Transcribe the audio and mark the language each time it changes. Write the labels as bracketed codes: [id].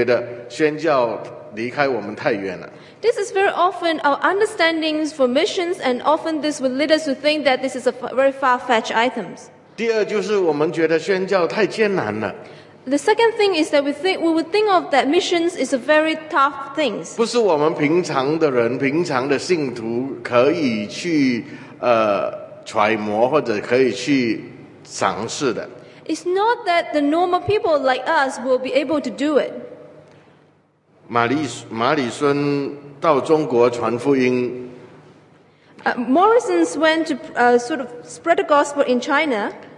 [zh] 这是很常我们对宣教的认识或者定义，以致我们觉得宣教离开我们太远了。 [en] This is very often our understandings for missions, and often this will lead us to think that this is a very far-fetched items. [zh] 第二就是我们觉得宣教太艰难了。 [en] The second thing is that we would think of that missions is a very tough thing. [zh] 不是我们平常的人、平常的信徒可以去揣摩或者可以去尝试的。 [en] It's not that the normal people like us will be able to do it. [zh] 马里孙 到中国传福音, [en] Morrison's went to sort of spread the gospel in China.